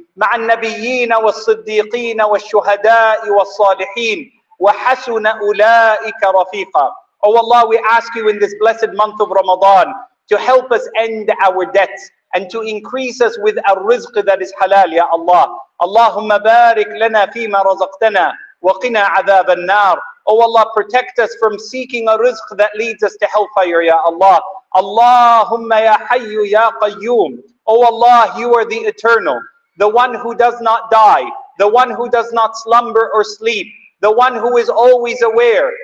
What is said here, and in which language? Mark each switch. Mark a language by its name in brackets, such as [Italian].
[Arabic] مَعَ النَّبِيِّينَ وَالصِّدِّيقِينَ وَالشُّهَدَاءِ وَالصَّالِحِينَ وَحَسُنَ أُولَٰئِكَ رَفِيقًا. [English] O Allah, we ask you in this blessed month of Ramadan to help us end our debts and to increase us with a rizq that is halal, ya Allah. [Arabic] اللهم بارك لنا فيما رزقتنا وقنا عذاب النار. [English] O Allah, protect us from seeking a rizq that leads us to hellfire, ya Allah. [Arabic] اللهم يا حي يا قيوم. [English] O Allah, you are the eternal, the one who does not die, the one who does not slumber or sleep, the one who is always aware.